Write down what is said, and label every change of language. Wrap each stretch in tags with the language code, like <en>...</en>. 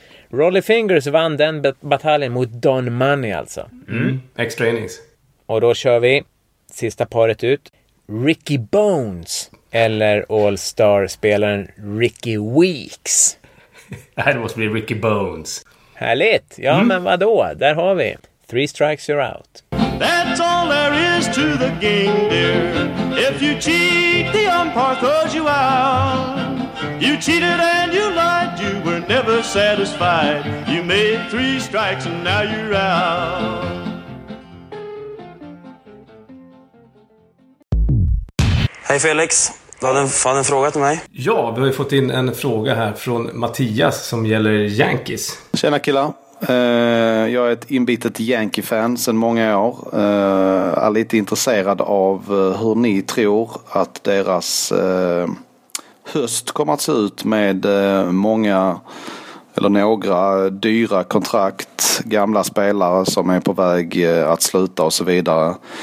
<sv>Rolly Fingers vann den bataljen mot Don Money alltså. Mm. Mm. Extra innings. Och då kör vi sista paret ut. Ricky Bones. Eller All-Star-spelaren Ricky Weeks. Det måste bli Ricky Bones. Härligt! Ja, men vadå? Där har vi.</sv> <en>Three strikes, you're out. That's all there is to the game, dear. If you cheat, the umpire throws you out. You cheated and you lied. You were never satisfied. You made three strikes and now you're out.</en> <sv>Hej Felix, du hade en fråga till mig. Ja, vi har ju fått in en fråga här från Mattias som gäller Yankees. Tjena killar, jag är ett inbitet Yankee-fan sedan många år. Är lite intresserad av hur ni tror att deras höst kommer att se ut med många eller några dyra kontrakt, gamla spelare som är på väg att sluta och så vidare.</sv>